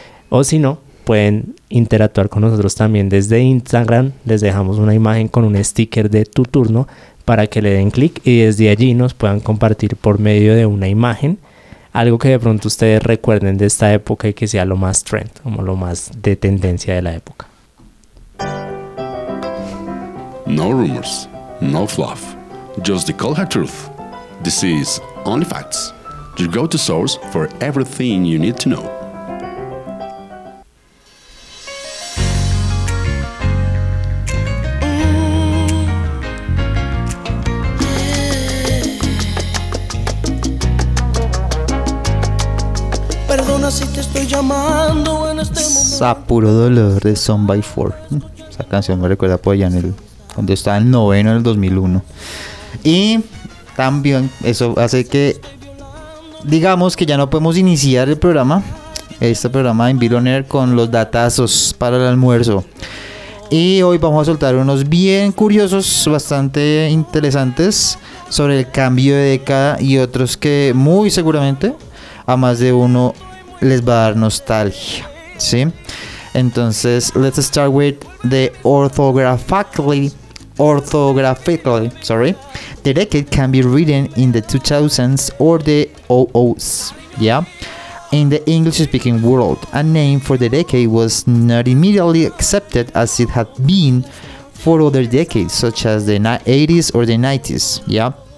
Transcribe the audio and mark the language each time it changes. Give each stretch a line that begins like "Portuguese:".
Spanish: O si no, pueden interactuar con nosotros también desde Instagram. Les dejamos una imagen con un sticker de tu turno para que le den clic y desde allí nos puedan compartir por medio de una imagen algo que de pronto ustedes recuerden de esta época y que sea lo más trend, como lo más de tendencia de la época.
English: No rumors, no fluff, just the cold hard truth. This is Only Facts, your go-to source for everything you need to know.
Spanish: A puro dolor de Son by Four. Esa canción me recuerda por allá en el, cuando estaba en el noveno en el 2001. Y también eso hace que digamos que ya no podemos iniciar el programa, este programa de Environer, con los datazos para el almuerzo. Y hoy vamos a soltar unos bien curiosos, bastante interesantes, sobre el cambio de década y otros que muy seguramente a más de uno les va a dar nostalgia, ¿sí? Entonces,
English: let's start with the orthographically, the decade can be written in the 2000s or the 00s, yeah? In the English-speaking world, a name for the decade was not immediately accepted as it had been for other decades, such as the 80s or the 90s, yeah?